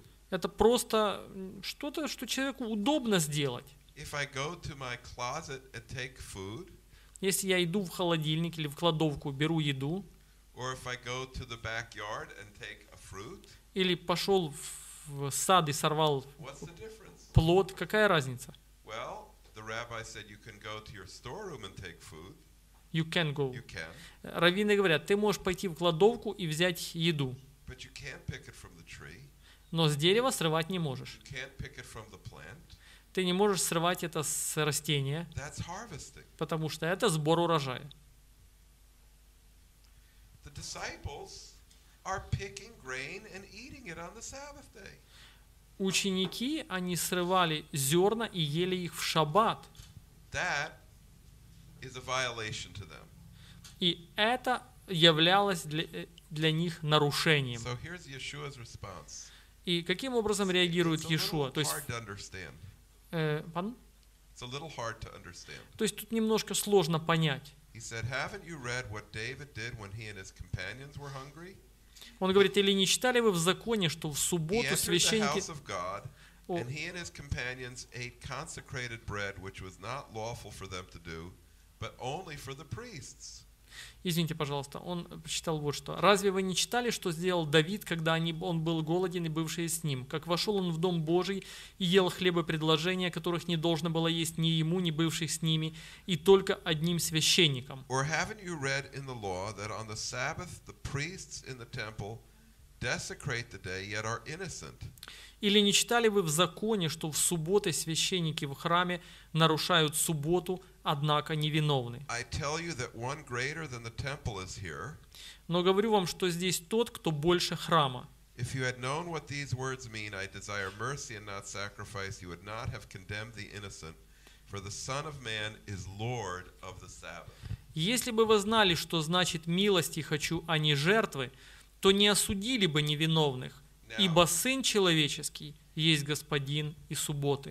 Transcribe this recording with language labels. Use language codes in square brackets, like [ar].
[ru] Это просто что-то, что человеку удобно сделать. [en] If I go to my closet and take food, [ru] если я иду в холодильник или в кладовку, беру еду, [en] or if I go to the backyard and take a fruit, [ru] или пошел в сад и сорвал плод, какая разница? [en] Well, the rabbi said you can go to your storeroom and take food. You can go. You can. [ru] Раввины говорят, ты можешь пойти в кладовку и взять еду. [en] But you can't pick it from the tree. [ru] Но с дерева срывать не можешь. [en] You can't pick it from the plant. [ru] Ты не можешь срывать это с растения, [en] That's harvesting. [ru] Потому что это сбор урожая. [en] The disciples are picking grain and eating it on the Sabbath day. [ru] Ученики, они срывали зерна и ели их в шаббат. [en] That is a violation to them. [ru] И это являлось для них нарушением. [en] So here's Yeshua's response. [ru] И каким образом реагирует Иешуа? [en] It's a little hard to understand. It's a little hard to understand. [ru] То есть тут немножко сложно понять. [en] He said, haven't you read what David did when he and his companions were hungry? [ru] Он говорит, или не читали вы в законе, что в субботу священники... [en] God, and he and his companions ate consecrated bread, which was not lawful for them to do, but only for the priests. [ru] Извините, пожалуйста, он прочитал вот что. Разве вы не читали, что сделал Давид, когда он был голоден и бывшие с ним? Как вошел он в дом Божий и ел хлебопредложения, которых не должно было есть ни ему, ни бывших с ними, и только одним священником? [en] Or haven't you read in the law that on the Sabbath the priests in the temple desecrate the day, yet are innocent? [ru] Или не читали вы в законе, что в субботу священники в храме нарушают субботу, однако невиновны? [en] I tell you that one greater than the temple is here. [ru] Но говорю вам, что здесь тот, кто больше храма. [en] If you had known what these words mean, I desire mercy and not sacrifice, you would not have condemned the innocent, for the Son of Man is Lord of the Sabbath. [ru] Если бы вы знали, что значит милости хочу, а не жертвы, то не осудили бы невиновных, Now, ибо Сын Человеческий есть Господин и субботы.